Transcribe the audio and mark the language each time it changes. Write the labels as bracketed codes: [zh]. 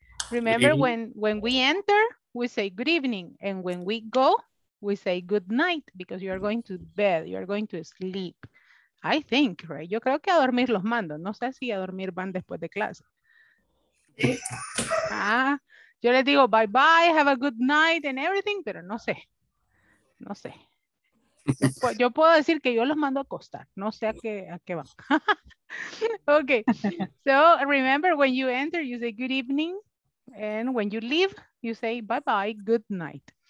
[en] Remember when we enter, we say good evening. And when we go, we say good night because you are going to bed. You are going to sleep. I think, right? Yo creo que a dormir los mando. [es] No sé si a dormir van después de clase. Ah, yo les digo bye bye, have a good night and everything, pero no sé. No sé. Yo puedo decir que yo los mando a acostar. No sé a qué van. Okay. [en] So remember when you enter, you say good evening. And when you leave, you say bye bye, good night.